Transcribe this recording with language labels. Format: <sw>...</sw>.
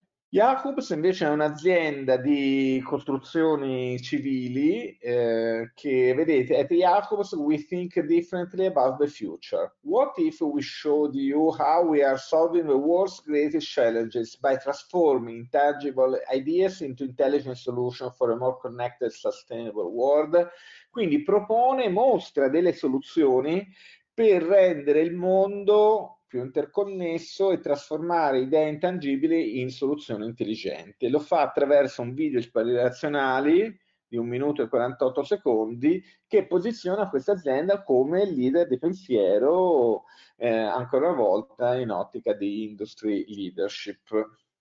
<it>Jacobs invece è un'azienda di costruzioni civili che vedete,</it> <en>at Jacobs we think differently about the future. What if we showed you how we are solving the world's greatest challenges by transforming tangible ideas into intelligent solutions for a more connected, sustainable world?</en> <it>Quindi propone e mostra delle soluzioni per rendere il mondo più interconnesso e trasformare idee intangibili in soluzioni intelligenti. Lo fa attraverso un video ispirazionale di 1 minuto e 48 secondi che posiziona questa azienda come leader di pensiero, ancora una volta in ottica di industry leadership.</it>